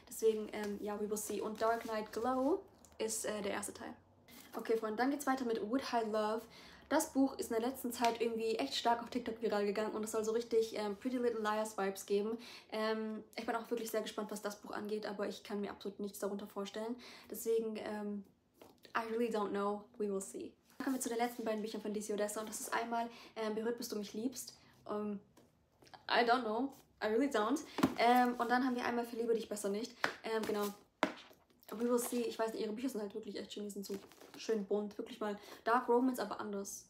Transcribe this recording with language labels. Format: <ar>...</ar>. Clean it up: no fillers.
<de>Deswegen, ja,</de> <en>we will see.</en> <de>Und Dark Knight Glow ist der erste Teil. Okay, Freunde, dann geht's weiter mit Would I Love. Das Buch ist in der letzten Zeit irgendwie echt stark auf TikTok viral gegangen und es soll so richtig Pretty Little Liars Vibes geben. Ich bin auch wirklich sehr gespannt, was das Buch angeht, aber ich kann mir absolut nichts darunter vorstellen. Deswegen,</de> <en>I really don't know. We will see.</en> <de>Dann kommen wir zu den letzten beiden Büchern von DC Odessa und das ist einmal Berührt, bis du mich liebst.</de> <en>I don't know. I really don't.</en> <de>Und dann haben wir einmal Verliebe dich besser nicht. Genau.</de> <en>We will see.</en> <de>Ich weiß nicht, ihre Bücher sind halt wirklich echt schön. Die sind so schön bunt. Wirklich mal Dark Romance, aber anders.</de>